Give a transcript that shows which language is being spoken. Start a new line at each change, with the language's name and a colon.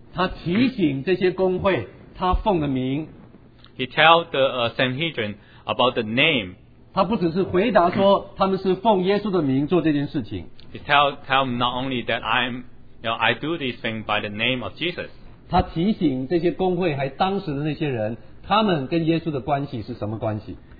Chinese: 他提醒这些公会他奉的名。
English: He tells the Sanhedrin about the name.
Chinese: 他不只是回答说他们是奉耶稣的名做这件事情。
English: He tells them not only that I do this thing by the name of Jesus.
Chinese: 他提醒这些公会还当时的那些人他们跟耶稣的关系是什么关系